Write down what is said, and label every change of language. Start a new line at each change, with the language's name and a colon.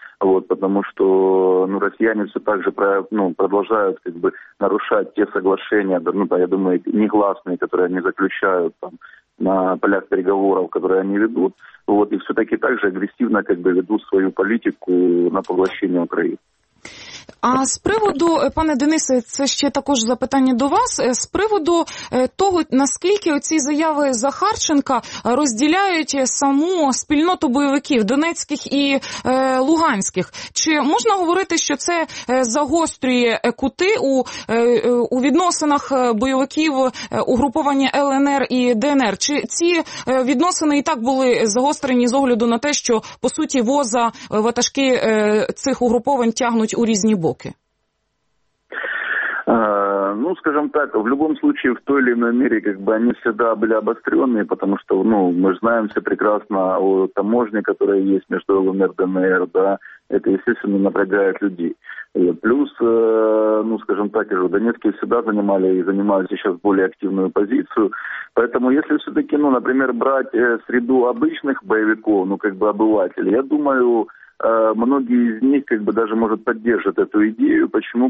Russian: Вот, потому что, ну, россияне все так же, ну, продолжают, как бы, нарушать те соглашения, ну, я думаю, негласные, которые они заключают там на полях переговоров, которые они ведут, вот, и все-таки так же агрессивно, как бы, ведут свою политику на поглощение Украины.
Ukrainian: А з приводу, пане Денисе, це ще також запитання до вас, з приводу того, наскільки оці заяви Захарченка розділяють саму спільноту бойовиків донецьких і луганських. Чи можна говорити, що це загострює кути у відносинах бойовиків угруповання ЛНР і ДНР? Чи ці відносини і так були загострені з огляду на те, що, по суті, воза ватажки цих угруповань тягнуть у різні боки?
Russian: Ну, скажем так, в любом случае, в той или иной мере, как бы, они всегда были обостренные, потому что, ну, мы знаем все прекрасно о таможне, которая есть между ЛНР и ДНР, да, это, естественно, напрягает людей. И плюс, ну, скажем так, и Донецкие всегда занимали и занимают сейчас более активную позицию, поэтому, если все-таки, ну, например, брать среду обычных боевиков, ну, как бы, обывателей, я думаю, многие из них, как бы, даже, может, поддержат эту идею. Почему?